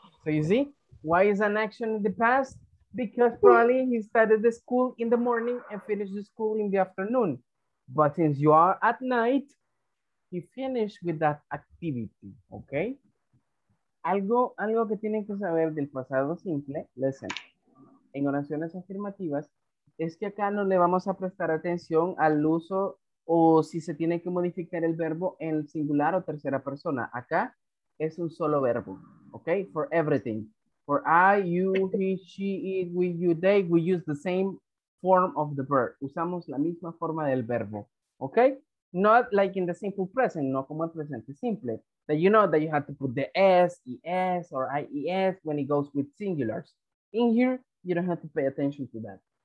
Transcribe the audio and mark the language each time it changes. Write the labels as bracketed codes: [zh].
[en] So you see, why is an action in the past? Because probably he started the school in the morning and finished the school in the afternoon. But since you are at night, he finished with that activity, okay? [es] Algo que tienen que saber del pasado simple, listen, en oraciones afirmativas, es que acá no le vamos a prestar atención al uso o si se tiene que modificar el verbo en singular o tercera persona. Acá es un solo verbo, okay? [en] For everything. For I, you, he, she, it, we, you, they, we use the same form of the verb. [es] Usamos la misma forma del verbo, okay? [en] Not like in the simple present, [es] no como el presente simple. [en] That you know that you have to put the S, ES, or IES when it goes with singulars. In here, you don't have to pay attention to that.